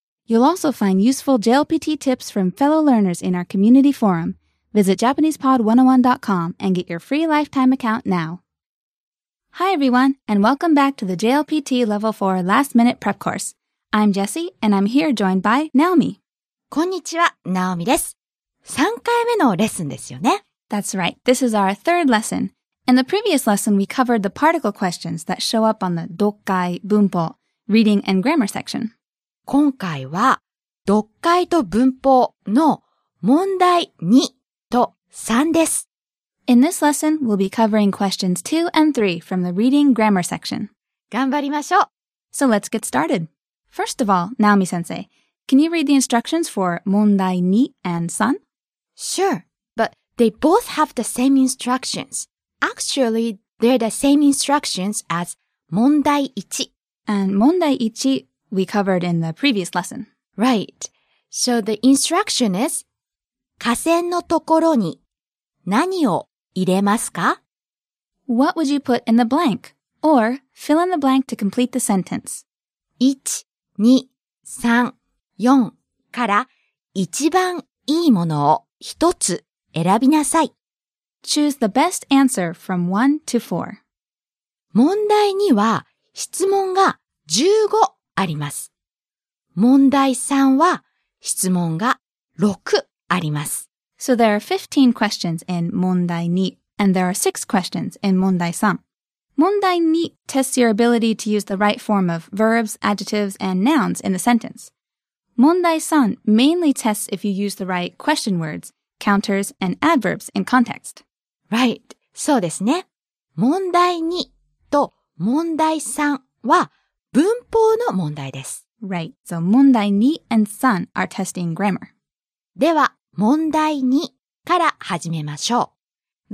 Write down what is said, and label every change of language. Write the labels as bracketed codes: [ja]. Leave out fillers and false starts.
[en] You'll also find useful JLPT tips from fellow learners in our community forum. Visit JapanesePod101.com and get your free lifetime account now. Hi everyone, and welcome back to the JLPT Level 4 Last Minute Prep Course. I'm Jessie, and I'm here joined by Naomi. [ja] こんにちは、ナオミです。3回目のレッスンですよね。 [en] That's right. This is our third lesson. In the previous lesson, we covered the particle questions that show up on the [ja] 読解、文法、 [en] reading and grammar section. [ja] 今回は、読解と文法の問題2と3です。 [en] In this lesson, we'll be covering questions 2 and 3 from the reading grammar section. [ja] 頑張りましょう。 [en] So let's get started. First of all, Naomi-sensei,Can you read the instructions for 問題2 and 3? Sure, but they both have the same instructions. Actually, they're the same instructions as 問題1. And 問題1 we covered in the previous lesson. Right. So the instruction is [ja] 河川のところに何を入れますか? [en] What would you put in the blank? Or fill in the blank to complete the sentence. [ja] 1, 2, 3, 4から一番いいものを一つ選びなさい。 [en] Choose the best answer from 1 to 4. [ja] 問題には質問が15あります。問題3は質問が6あります。 [en] So there are 15 questions in 問題2 and there are 6 questions in 問題3. 問題2 tests your ability to use the right form of verbs, adjectives, and nouns in the sentence. 問題3 mainly tests if you use the right question words, counters, and adverbs in context. Right, [ja] そうですね。問題2と問題3は文法の問題です。 [en] Right, so 問題2 and 3 are testing grammar. [ja] では、問題2から始めましょう。